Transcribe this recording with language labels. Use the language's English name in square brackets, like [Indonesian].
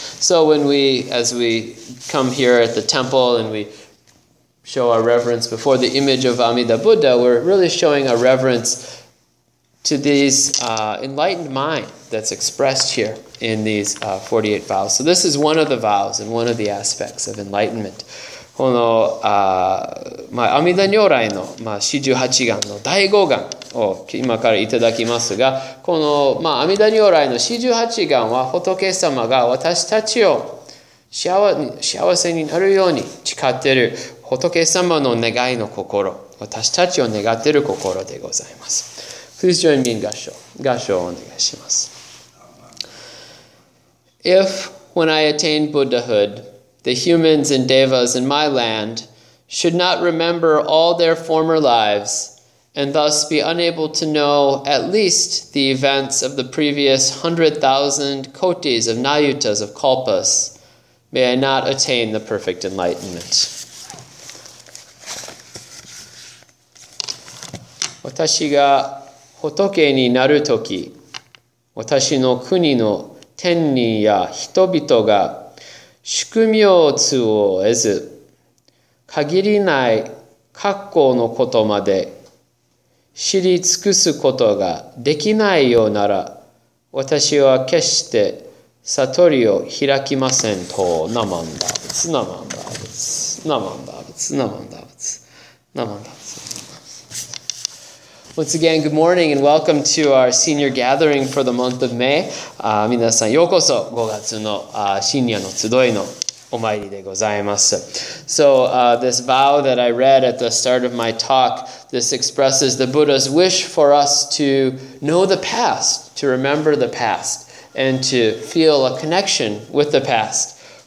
[English] So as we come here at the temple and we show our reverence before the image of Amida Buddha, we're really showing our reverence to these enlightened mind that's expressed here in these 48 vows. So this is one of the vows and one of the aspects of enlightenment. [Japanese] この阿弥陀 如来の 48願 の 第5願 を 今からいただきますが この 阿弥陀 如来の 48願 は 仏様が 私たちを 幸せになるように 誓っている 仏様の 願いの 心 私たちを 願っている 心 でございます。 [English] Please join me in 合掌。 [Japanese] 合掌 をお願いします。 [English] If when I attained Buddhahood, the humans and devas in my land should not remember all their former lives and thus be unable to know at least the events of the previous 100,000 kotis of nayutas of kalpas, may I not attain the perfect enlightenment. [Japanese] 私が仏になる時、私の国の天人や人々が 宿命を得ず限りない過去のことまで知り尽くすことができないようなら私は決して悟りを開きませんと。ナマンダブツ。ナマンダブツ。ナマンダブツ。ナマンダブツ。ナマンダブツ。 [English] Once again, good morning and welcome to our senior gathering for the month of May. [Japanese] 皆さんようこそ 5月の シニアの集いの [English] So this vow that I read at the start of my talk, this expresses the Buddha's wish for us to know the past, to remember the past, and to feel a connection with the past.